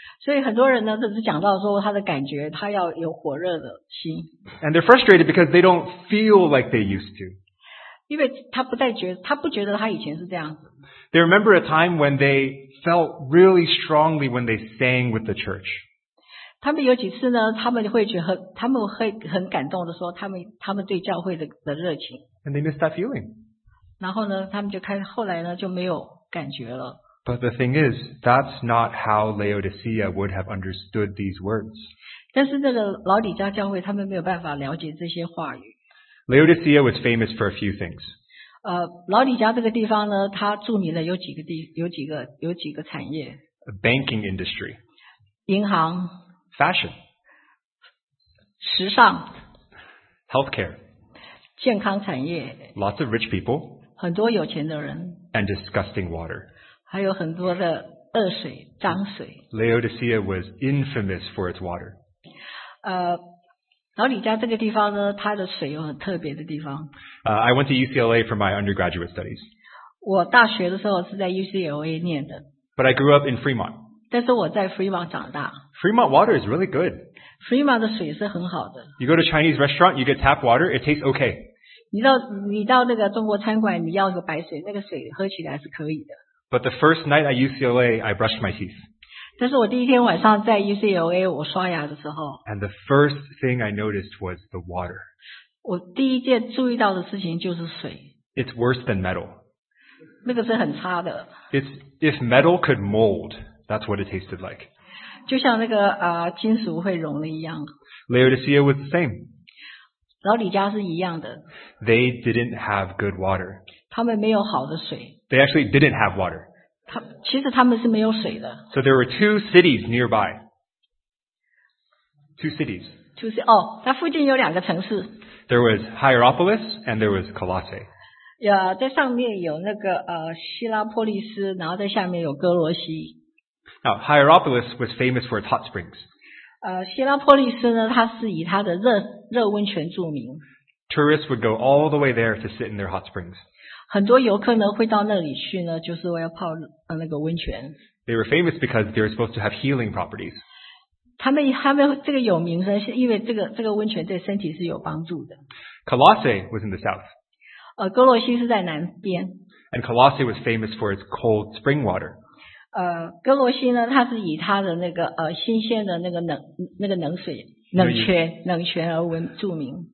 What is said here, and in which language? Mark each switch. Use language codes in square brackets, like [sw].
[zh] 所以很多人呢，都是讲到说他的感觉，他要有火热的心。 [en] And they're frustrated because they don't feel like they used to. [zh] 因为他不再觉得，他不觉得他以前是这样子。 [en] They remember a time when they felt really strongly when they sang with the church. [zh] 他们有几次呢？他们会觉得他们会很感动的说，他们对教会的热情。 [en] And they missed that feeling. [zh] 然后呢，他们就开始后来呢就没有感觉了。 [en] But the thing is, that's not how Laodicea would have understood these words. [zh] 但是那个老底家教会，他们没有办法了解这些话语。 [en] Laodicea was famous for a few things. [zh] 老底家这个地方呢，它著名的有几个产业。 [en] A banking industry. [zh] 银行。 [en] Fashion. [zh] 时尚。 [en] Healthcare. [zh] 健康产业。 [en] Lots of rich people. [zh] 很多有钱的人。 [en] And disgusting water. [zh] 还有很多的恶水，脏水。 [en] Laodicea was infamous for its water. [zh] 老李家这个地方呢，它的水有很特别的地方。 [en] I went to UCLA for my undergraduate studies. [zh] 我大学的时候是在 UCLA 念的。 [en] But I grew up in Fremont. [zh] 但是我在 Fremont 长大。 [en] Fremont water is really good. [zh] Fremont 的水是很好的。 [en] You go to Chinese restaurant, you get tap water, it tastes okay. [zh] 你到那个中国餐馆，你要个白水，那个水喝起来是可以的。 [en] But the first night at UCLA, I brushed my teeth. [zh] 但是我第一天晚上在 UCLA 我刷牙的时候。 [en] And the first thing I noticed was the water. [zh] 我第一件注意到的事情就是水。 [en] It's worse than metal. [zh] 那个是很差的。 [en] It's, if metal could mold, that's what it tasted like. [zh] 就像那个金属会溶了一样。 [en] Laodicea was the same. [zh] 老底家是一样的。 [en] They didn't have good water. [zh] 他们没有好的水。 [en] They actually didn't have water. [zh] 其实他们是没有水的。 [en] So there were two cities nearby. Two cities. [zh] Oh, 它附近有两个城市。 [en] There was Hierapolis and there was Colossae. [zh] Yeah, 在上面有那个希拉波利斯，然后在下面有哥罗西。 [en] Now, Hierapolis was famous for its hot springs. [zh] 希拉波利斯呢，它是以它的热温泉著名。 [en] Tourists would go all the way there to sit in their hot springs. [zh] 很多游客呢会到那里去呢，就是为了泡那个温泉。 [en] They were famous because they were supposed to have healing properties. [zh] 他们这个有名声，是因为这个温泉对身体是有帮助的。 [en] Colossae was in the south. [zh] 哥罗西是在南边。 [en] And Colossae was famous for its cold spring water. [zh] 哥罗西呢，它是以它的那个新鲜的那个冷水冷泉而闻著名。